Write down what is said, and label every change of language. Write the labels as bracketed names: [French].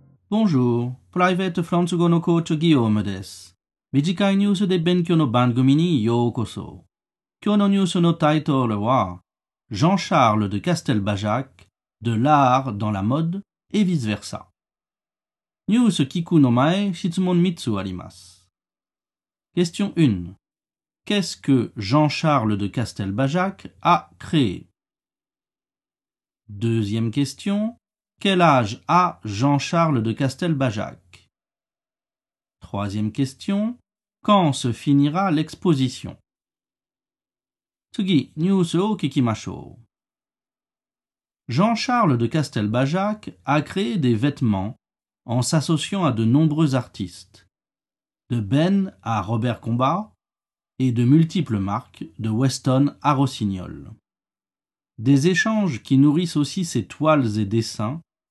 [Japanese] Bonjour, プライベートフランス語のコーチギヨームです。短いニュースで勉強の番組にようこそ。今日のニュースのタイトルは、 [French] Jean-Charles de Castelbajac, de l'art dans la mode, et vice versa. [Japanese] ニュース聞くの前、質問3つあります。 [French] Question 1. Qu'est-ce que Jean-Charles de Castelbajac a créé? Deuxième question. Quel âge a Jean-Charles de Castelbajac? Troisième question. Quand se finira l'exposition? [Japanese] 次、ニュースを聞きましょう。 [French] Jean-Charles de Castelbajac a créé des vêtements en s'associant à de nombreux artistes, de Ben à Robert Combat et de multiples marques, de Weston à Rossignol. Des échanges qui nourrissent aussi ses toiles et dessins.